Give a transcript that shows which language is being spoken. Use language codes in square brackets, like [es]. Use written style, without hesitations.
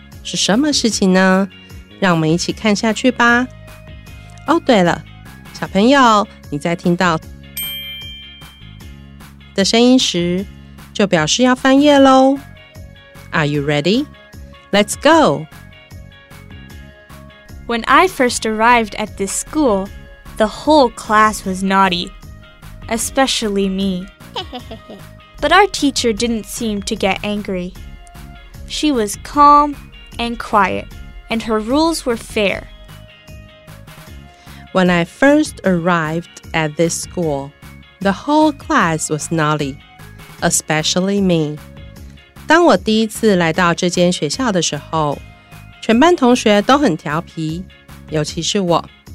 [zh] 是什么事情呢？让我们一起看下去吧。哦，对了，小朋友，你在听到的声音时，就表示要翻页咯。 [en] Are you ready? Let's go! When I first arrived at this school, the whole class was naughty, especially me. But our teacher didn't seem to get angry. She was calm and quiet. And her rules were fair. When I first arrived at this school, the whole class was naughty, especially me. [zh] 当我第一次来到这间学校的时候，全班同学都很调皮，尤其是我。